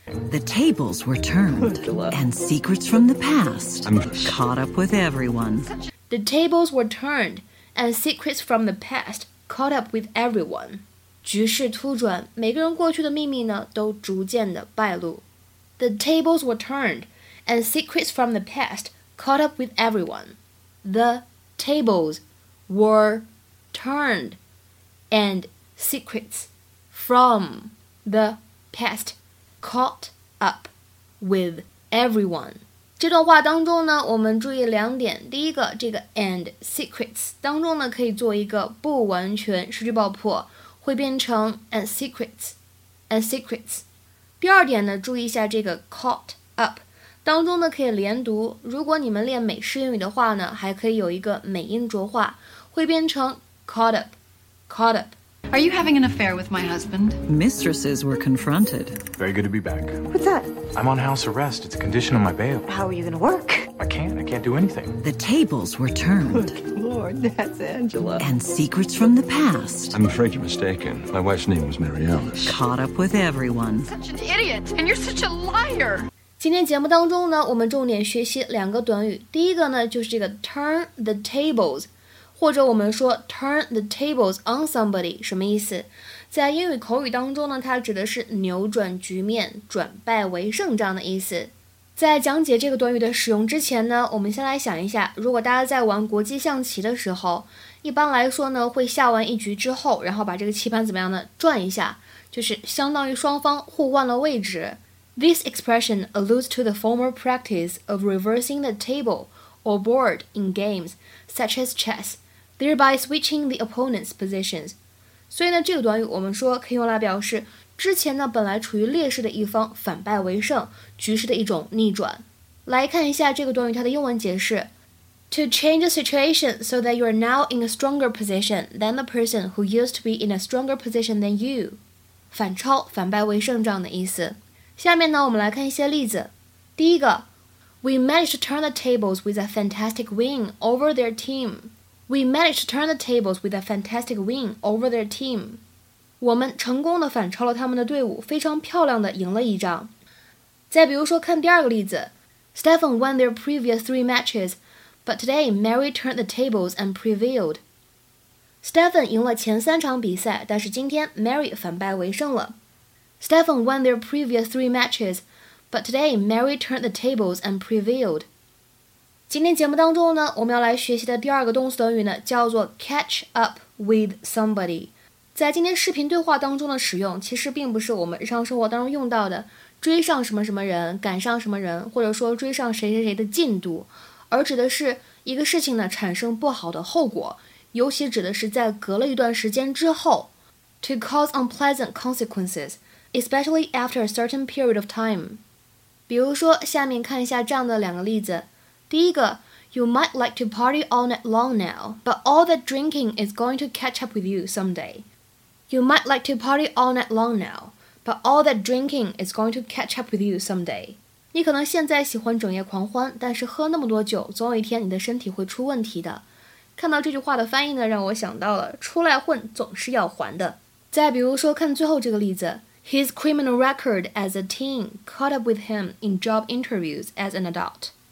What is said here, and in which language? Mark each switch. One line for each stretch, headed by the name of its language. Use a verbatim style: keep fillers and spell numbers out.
English: The tables were turned, and secrets from the past caught up with everyone. The tables were turned, and secrets from the past. Caught up with everyone.
Chinese: 局势突转，每个人过去的秘密呢，都逐渐的败露。
English: The tables were turned, and secrets from the past caught up with everyone. The tables were turned, and secrets from the past caught up with everyone.
Chinese: 这段话当中呢，我们注意两点。第一个，这个
English: and secrets
Chinese: 当中呢，可以做一个不完全失去爆破，会变成
English: and secrets and secrets。
Chinese: 第二点呢，注意一下这个
English: caught up
Chinese: 当中呢，可以连读。如果你们练美式英语的话呢，还可以有一个美音浊化，会变成
English: caught up caught up。 Are you having an affair with my husband? Mistresses were confronted. Very good to be back. What's that? I'm on house arrest. It's a condition of my bail. How are you going to work? I can't. I can't do anything. The tables were turned. Good Lord, that's Angela. And secrets from the past. I'm afraid you're mistaken. My wife's name was Mary Alice. Caught up with everyone. Such an idiot, and you're such a liar.
Chinese: 今天节目当中呢，我们重点学习两个短语。第一个呢，就是这个
English: turn the tables。
Chinese: 或者我们说
English: turn the tables on somebody
Chinese: 什么意思？在英语口语当中呢，它指的是扭转局面、转败为胜这样的意思。在讲解这个短语的使用之前呢，我们先来想一下，如果大家在玩国际象棋的时候，一般来说呢，会下完一局之后，然后把这个棋盘怎么样呢？转一下，就是相当于双方互换了位置。
English: This expression alludes to the former practice of reversing the table or board in games such as chess. Thereby switching the opponent's positions.
Chinese: 所以呢，这个短语我们说可以用来表示之前呢本来处于劣势的一方反败为胜，局势的一种逆转。来看一下这个短语它的英文解释
English: ：To change a situation so that you are now in a stronger position than the person who used to be in a stronger position than you.
Chinese: 反超、反败为胜这样的意思。下面呢，我们来看一些例子。第一个
English: ，We managed to turn the tables with a fantastic win over their team. We managed to turn the tables with a fantastic win over their team.
Chinese: 我们成功地反超了他们的队伍，非常漂亮地赢了一仗。再比如说，看第二个例子
English: ，Stefan won their previous three matches, but today Mary turned the tables and prevailed.
Chinese: Stefan 赢了前三场比赛，但是今天 Mary 反败为胜了。
English: Stefan won their previous three matches, but today Mary turned the tables and prevailed.
Chinese: 今天节目当中呢，我们要来学习的第二个动词短语呢，叫做
English: catch up with somebody。
Chinese: 在今天视频对话当中的使用，其实并不是我们日常生活当中用到的追上什么什么人，赶上什么人，或者说追上谁谁谁的进度，而指的是一个事情呢产生不好的后果，尤其指的是在隔了一段时间之后 ，
English: to cause unpleasant consequences, especially after a certain period of time。
Chinese: 比如说，下面看一下这样的两个例子。第一个
English: You might like to party all night long now, but all that drinking is going to catch up with you someday. You might like to party all night long now, but all that drinking is going to catch up with you someday.
Chinese: 你可能现在喜欢整夜狂欢，但是喝那么多酒，总有一天你的身体会出问题的。看到这句话的翻译呢，让我想到了出来混总是要还的。再比如说，看最后这个例子
English: His criminal record as a teen caught up with him in job interviews as an adult.